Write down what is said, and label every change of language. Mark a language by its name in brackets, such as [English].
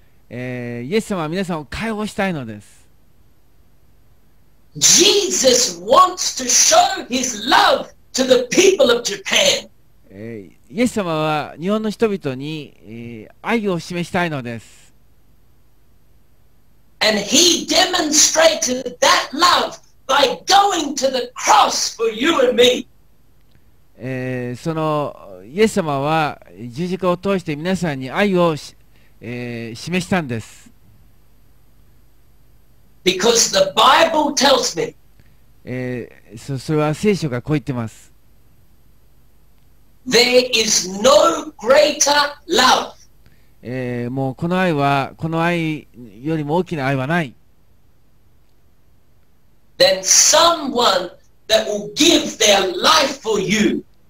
[Japanese] イエス様は皆さんを解放したいのです。 [English] Jesus wants to show his love to the people of Japan. [Japanese] イエス様は日本の人々に愛を示したいのです。 [English] And he demonstrated that love by going to the cross for you and me. [Japanese] そのイエス様は十字架を通して皆さんに愛を示したんです。 [English] Because the Bible tells me. [Japanese] それは聖書がこう言ってます。 [English] There is no greater love. [Japanese] もうこの愛よりも大きな愛はない。 [English] Than someone that will give their life for you.